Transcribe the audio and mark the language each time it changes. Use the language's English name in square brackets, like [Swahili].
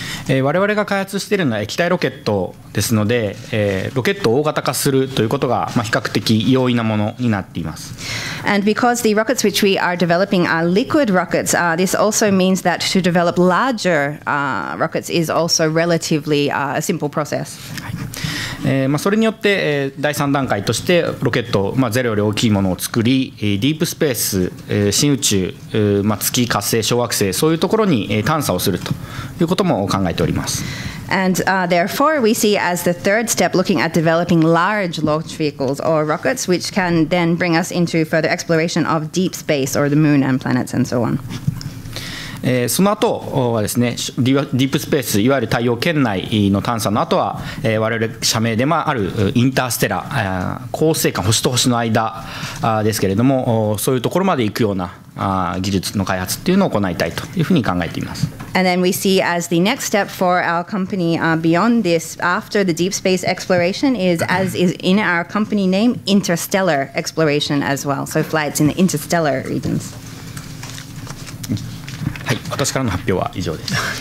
[Japanese] 我々が開発しているのは液体ロケットですので、ロケットを大型化するということが、まあ、比較的容易なものになっています。 [English] And because the rockets which we are developing are liquid rockets, this also means that to develop larger rockets is also relatively a simple process.、 [Japanese] はい、まあ、それによって、第3段階としてロケット、まあ、ゼロより大きいものを作り、ディープスペース、新宇宙、まあ、月、火星、小惑星、そういうところに探査をするということも考えております。 [English] And therefore, we see as the third step looking at developing large launch vehicles or rockets, which can then bring us into further exploration of deep space or the moon and planets and so on. [Japanese] その後はですね、ディープスペース、いわゆる太陽圏内の探査の後は、我々社名でもあるインターステラ、恒星間、星と星の間ですけれども、そういうところまで行くような技術の開発っていうのを行いたいというふうに考えています。 [English] And then we see as the next step for our company beyond this, after the deep space exploration, is as is in our company name, interstellar exploration as well. So flights in the interstellar regions. [Japanese] はい、私からの発表は以上です。